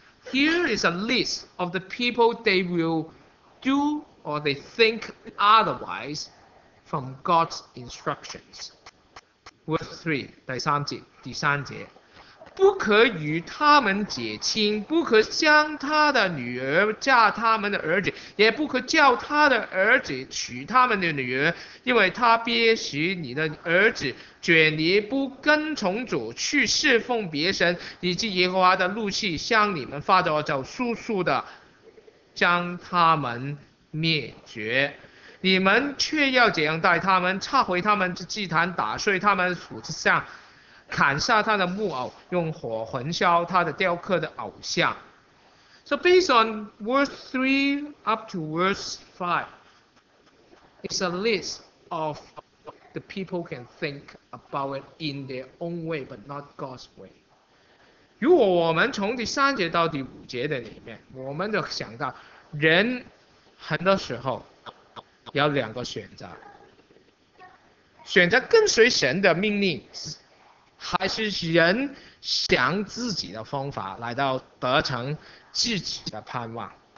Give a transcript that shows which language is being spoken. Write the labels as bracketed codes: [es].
[en] Here is a list of the people they will do or they think otherwise from God's instructions. Verse 3, [zh] 第三节，不可与他们结亲，不可将他的女儿嫁他们的儿子，也不可叫他的儿子娶他们的女儿，因为他必使你的儿子卷离不跟从主去侍奉别神，以致耶和华的怒气向你们发作，就速速的将他们灭绝。你们却要怎样待他们？拆毁他们的祭坛，打碎他们的土之像，砍下他的木偶，用火焚烧他的雕刻的偶像。 [en] So based on verse 3 up to verse 5, it's a list of the people can think about it in their own way, but not God's way. [zh] 如果我们从第三节到第五节的里面，我们就想到，人很多时候有两个选择：选择跟随神的命令，还是人想自己的方法来到得成自己的盼望。